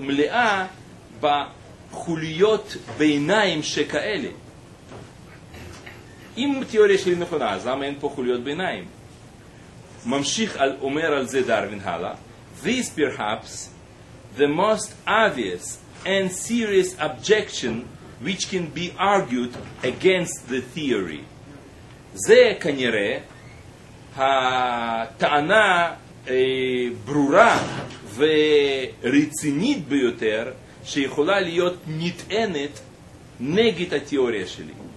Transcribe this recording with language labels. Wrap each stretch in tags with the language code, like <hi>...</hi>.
<he>מלאה בחוליות ביניים שכאלה. אם תיאוריה שלי נכונה, אז למה אין פה חוליות ביניים? ממשיך, אומר על זה דרווין הלאה,</he> <en>This perhaps the most obvious and serious objection which can be argued against the theory.</en> <he>זה כנראה הטענה ברורה ורצינית ביותר שיכולה להיות נטענת נגד התיאוריה שלי.</he>